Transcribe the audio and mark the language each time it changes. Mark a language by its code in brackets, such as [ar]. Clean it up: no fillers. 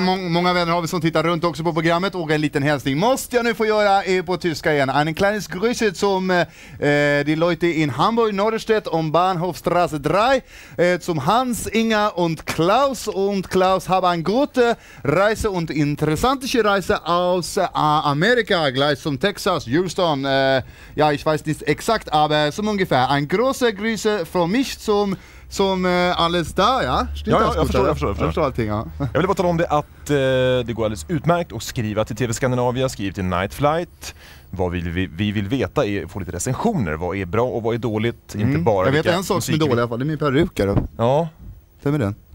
[sv] Många vänner har vi som tittar runt också på programmet, och en liten hälsning måste jag nu få göra på tyska igen. [de] Ein kleines Grüßet zum die Leute in Hamburg Norderstedt om Bahnhofstrasse 3 zum Hans, Inga und Klaus. Und Klaus, habe en gute Reise und interessante Reise aus Amerika, gleich zum Texas, Houston. Ja, ich weiß nicht exakt, aber so ungefähr. Ein großer Grüße von mich zum [sv] som alldeles där, ja? Jag förstår allting, ja. Jag vill bara tala om det att det går alldeles utmärkt att skriva till TV Skandinavia, skriva till Nightflight. Vad vi vill veta är få lite recensioner. Vad är bra och vad är dåligt? Mm. Inte bara jag vet en sak som är dålig i alla fall. Det är min perukare. Ja. Vem är den?